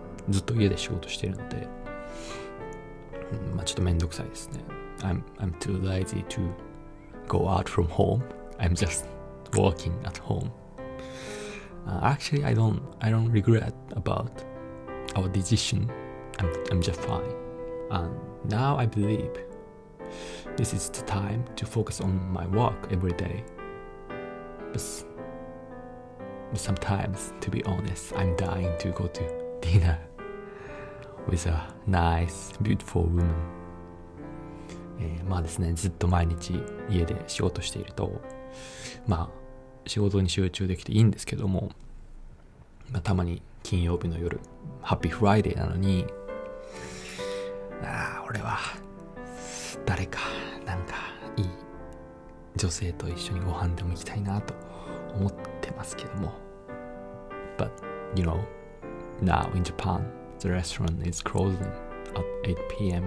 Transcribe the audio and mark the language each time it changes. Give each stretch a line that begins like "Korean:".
Japanese: ずっと家で仕事してるので、ちょっとめんどくさいですね。
English: I'm too lazy to go out from home. I'm just working at home. Actually, I don't regret about our decision. I'm just fine. And now I believe this is the time to focus on my work every day. But sometimes, to be honest, I'm dying to go to dinner. With a nice, beautiful woman.
Japanese: ですね、ずっと毎日家で仕事していると、仕事に集中できていいんですけども、たまに金曜日の夜、ハッピーフライデーなのに、俺は誰かなんかいい女性と一緒にご飯でも行きたいなと思ってますけども。
English: But, you know, now in Japan,The restaurant is closing at 8 p.m.